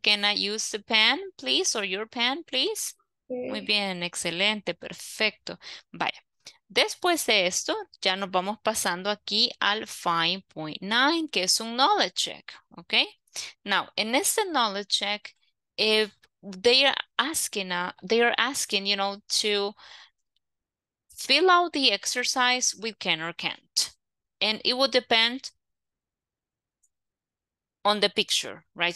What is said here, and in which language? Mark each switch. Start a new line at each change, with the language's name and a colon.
English: Can I use the pen, please, or your pen, please?
Spanish: Muy bien, excelente, perfecto. Vaya, después de esto, ya nos vamos pasando aquí al 5.9, que es un knowledge check, ¿ok?
English: Now, in this knowledge check, if they are asking, you know, to fill out the exercise with can or can't. And it will depend on the picture, right?